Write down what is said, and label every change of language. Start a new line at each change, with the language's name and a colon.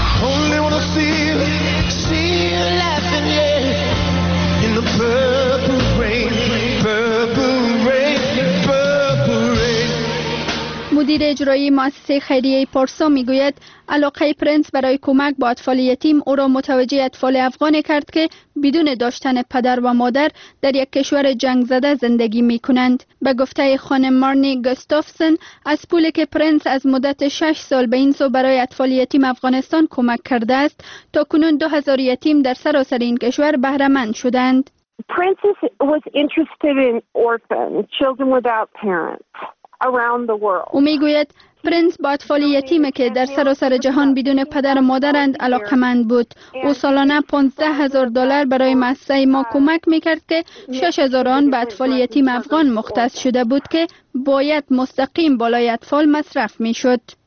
English: Only wanna see you laughing, yeah, in the purple rain, purple rain.
Persian: مدیر اجرایی مؤسسه خیریه پارسا میگوید علاقه پرنس برای کمک به اطفال یتیم او را متوجه اطفال افغان کرد که بدون داشتن پدر و مادر در یک کشور جنگ زده زندگی میکنند. به گفته خانم مارنی گستافسن، از پولی که پرنس از مدت 6 سال به این سو برای اطفال یتیم افغانستان کمک کرده است، تا کنون 2000 یتیم در سراسر این کشور بهره مند شدند.
English: Prince was interested in orphans, children without parents.
Persian: او میگوید پرنس با اطفال یتیمه که در سراسر جهان بدون پدر و مادرند علاقمند بود. او سالانه $15,000 برای مؤسسه ما کمک میکرد که 6,000 آن به اطفال یتیم افغان مختص شده بود که باید مستقیم بالای اطفال مصرف میشد.